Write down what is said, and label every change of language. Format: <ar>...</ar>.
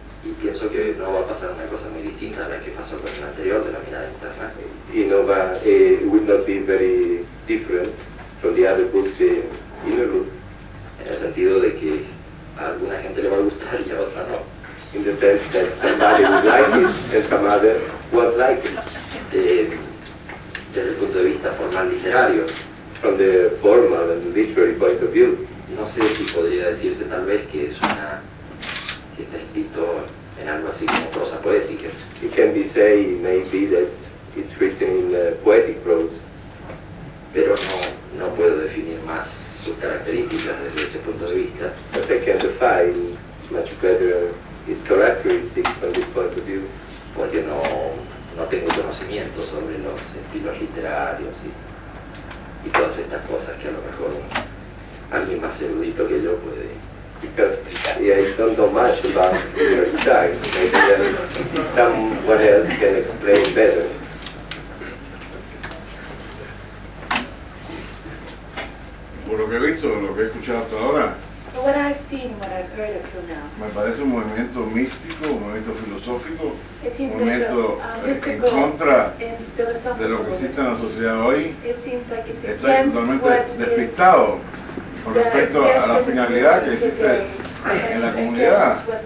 <es>Y pienso que no va a pasar una cosa muy distinta a la que pasó con el anterior de la mirada interna.</es> <en>Innova would not be very different from the other books in the room.</en> <es>En el sentido de que a alguna gente le va a gustar y a otra no.</es> <en>In the sense that somebody would like it and some other won't like it.</en> <es>Desde el punto de vista formal literario.</es> <en>From the formal and literary point of view.</en> <es>No sé si podría decirse tal vez que es una que está escrito en algo así como prosa poética.</es> <en>It can be said, maybe that it's written in poetic prose.</en> <es>Pero no puedo definir más sus características desde ese punto de vista.</es> <en>But I can define much better its characteristics from this point of view.</en> <es>Porque no tengo conocimiento sobre los estilos literarios y todas estas cosas que a lo mejor alguien más erudito que yo puede.</es> <en>Because I don't know much about your style. Maybe someone else can explain better.</en> <es>Por lo que he visto, lo que he escuchado hasta ahora,</es> <en>But what I've seen, what I've heard up till now.</en> <es>Me parece un movimiento místico, un movimiento filosófico, un movimiento en contra de lo que existe en la sociedad hoy. Está totalmente despistado con respecto a la finalidad que existe en la comunidad.</es>